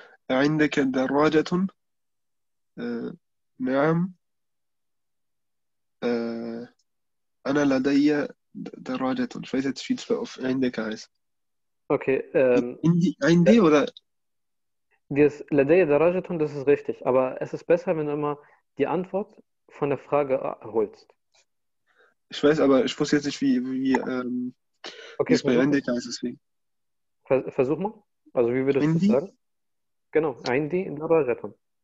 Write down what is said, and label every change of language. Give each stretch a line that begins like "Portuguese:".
Arabic: عندك دراجة نعم أنا لدي دراجة
German: ich weiß jetzt viel auf
Arabic: عندك
German: heißt. Okay. عندي oder? Das
Arabic: لدي دراجة,
German: das ist richtig. Aber es ist besser, wenn du immer die Antwort von der Frage holst. Ich weiß, aber ich wusste jetzt nicht, wie es bei عندك heißt, deswegen. Versuch mal. Also wie würdest du sagen? Genau,
Arabic: عندي دراجة.